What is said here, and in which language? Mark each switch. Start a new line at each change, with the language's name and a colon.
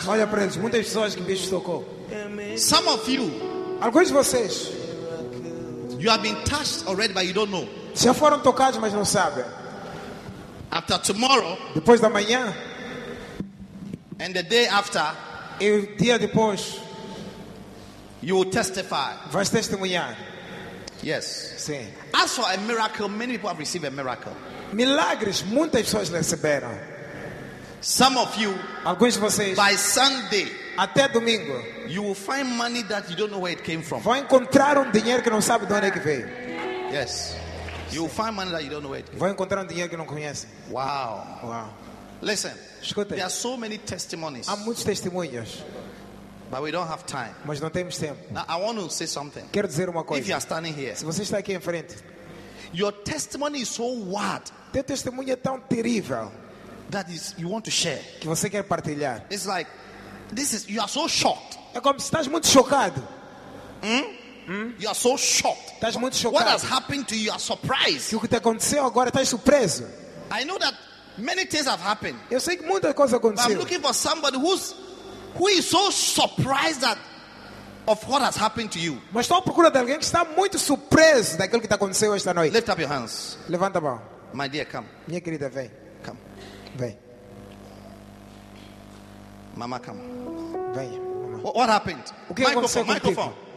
Portuguese: Olha para eles, muitas pessoas que Jesus tocou.
English: Some of you,
Portuguese: alguns de vocês,
English: you have been touched already, but you don't know.
Portuguese: Já foram tocados, mas não sabem.
English: After tomorrow,
Portuguese: depois da manhã,
English: and the day after,
Portuguese: e o dia depois,
English: you will testify.
Portuguese: Vais testemunhar.
English: Yes.
Portuguese: Sim.
English: As for a miracle, many people have received a miracle.
Portuguese: Milagres, muitas pessoas receberam.
English: Some of you,
Portuguese: alguns de vocês,
English: by Sunday,
Portuguese: até domingo,
English: you will find money that you don't know where it came from.
Portuguese: Vão encontrar dinheiro que não sabe de onde que veio.
English: Yes. You will find money that you don't know where it came
Portuguese: from. Vão encontrar dinheiro que não conhece.
English: Wow. Wow. Listen.
Portuguese: Escute.
English: There are so many testimonies.
Portuguese: Há muitos testemunhos.
English: But we don't have time.
Portuguese: Mas não temos tempo.
English: Now, I want to say something.
Portuguese: Quero dizer uma coisa.
English: If you are standing here,
Portuguese: se você está aqui em frente,
English: your testimony is so wild.
Portuguese: Teu testemunho é tão terrível.
English: That is, you want to share.
Portuguese: Que você quer partilhar.
English: It's like, this is, you are so shocked.
Portuguese: É como se estás muito chocado.
English: You are so shocked.
Portuguese: Estás muito chocado.
English: What has happened to you? You are surprised.
Portuguese: Que o que te aconteceu agora? Estás surpreso.
English: I know that many things have happened.
Portuguese: Eu sei que muitas coisas aconteceram.
English: But I'm looking for somebody who is so surprised that of what has happened to you.
Portuguese: Mas estou procurando alguém que está muito surpreso daquilo que te aconteceu esta noite.
English: Lift up your hands.
Portuguese: Levanta a mão.
English: My dear, come.
Portuguese: Minha querida, vem.
English: Come.
Portuguese: Vem.
English: Mama, come.
Portuguese: Vem.
English: What happened?
Portuguese: O que aconteceu contigo?
English: Microphone.